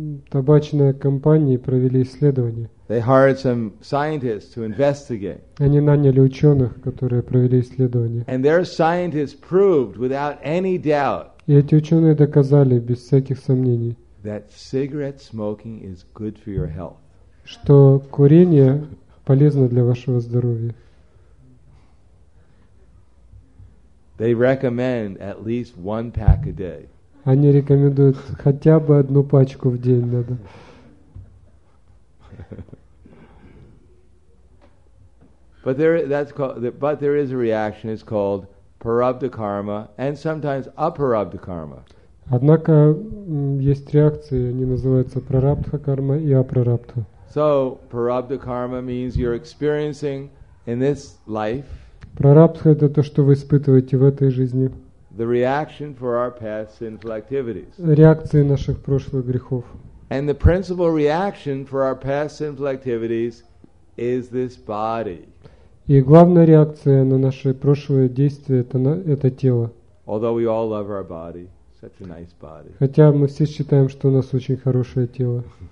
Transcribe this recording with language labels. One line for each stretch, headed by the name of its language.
Russian: Табачные компании провели исследование.
English: They hired some scientists to investigate.
Russian: Они наняли ученых, которые провели исследование.
English: And their scientists proved without any doubt.
Russian: И эти ученые доказали без всяких сомнений.
English: That cigarette smoking is good for your health.
Russian: Что курение полезно для вашего здоровья.
English: They recommend at least one pack a day.
Russian: Они рекомендуют хотя бы одну пачку в день надо.
English: But there is a reaction. It's called parabdha karma and sometimes aparabdha karma.
Russian: Однако есть реакции, они называются прарабдха карма и апрарабдха.
English: So parabdha karma means you're experiencing in this life.
Russian: Прарабдха это то, что вы испытываете в этой жизни.
English: The reaction for our past sinful activities.
Russian: Реакции наших прошлых грехов.
English: And the principal reaction for our past sinful activities is this body.
Russian: И главная реакция на наши прошлые действия это тело.
English: Although we all love our body, such a nice body.
Russian: Хотя мы все считаем, что у нас очень хорошее тело.